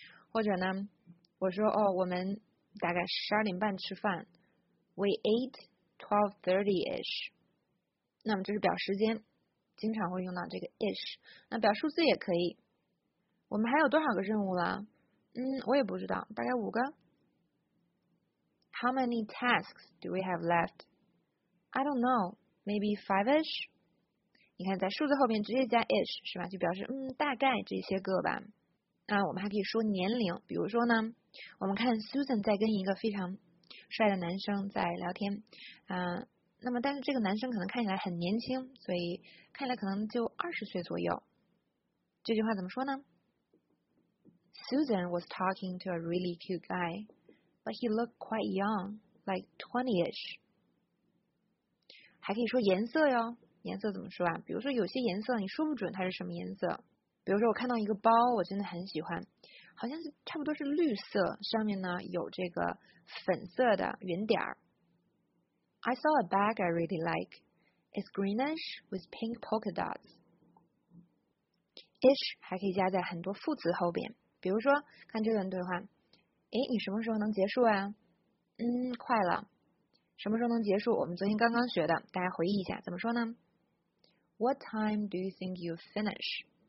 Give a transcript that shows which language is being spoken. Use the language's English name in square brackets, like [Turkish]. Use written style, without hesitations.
[Chinese] 或者呢我说哦，我们大概12点半吃饭， [English] We ate 12:30-ish。 [Chinese] 那么这是表时间，经常会用到这个 ish。那表数字也可以，我们还有多少个任务了？我也不知道，大概5个。 [English] How many tasks do we have left? I don't know, maybe 5-ish? [Chinese] 你看在数字后面直接加 ish, 是吧？就表示大概这些个吧。那我们还可以说年龄，比如说呢，我们看 Susan 在跟一个非常帅的男生在聊天。那么但是这个男生可能看起来很年轻，所以看起来可能就20岁左右。这句话怎么说呢？ [English] Susan was talking to a really cute guy, but he looked quite young, like 20-ish. [Chinese] 还可以说颜色哟，颜色怎么说啊？比如说有些颜色你说不准它是什么颜色。比如说我看到一个包，我真的很喜欢，好像是差不多是绿色，上面呢有这个粉色的圆点儿。 [English] I saw a bag I really like. It's greenish with pink polka dots. [Chinese] Ish 还可以加在很多副词后边。比如说看这段对话，哎，你什么时候能结束啊？快了。什么时候能结束？我们昨天刚刚学的，大家回忆一下怎么说呢？ [English] What time do you think you finish?